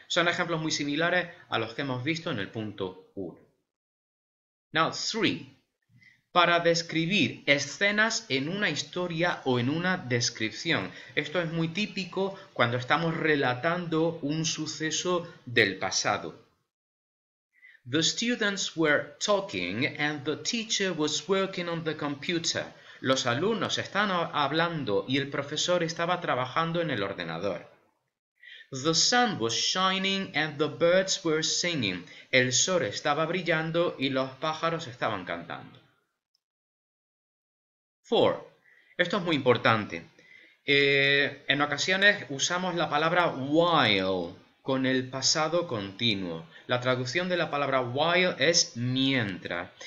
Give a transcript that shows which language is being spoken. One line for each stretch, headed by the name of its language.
Spanish: Son ejemplos muy similares a los que hemos visto en el punto 1.
English: Now, 3.
Spanish: Para describir escenas en una historia o en una descripción. Esto es muy típico cuando estamos relatando un suceso del pasado.
English: The students were talking and the teacher was working on the computer.
Spanish: Los alumnos están hablando y el profesor estaba trabajando en el ordenador.
English: The sun was shining and the birds were singing.
Spanish: El sol estaba brillando y los pájaros estaban cantando. 4. Esto es muy importante. En ocasiones usamos la palabra while con el pasado continuo. La traducción de la palabra while es mientras.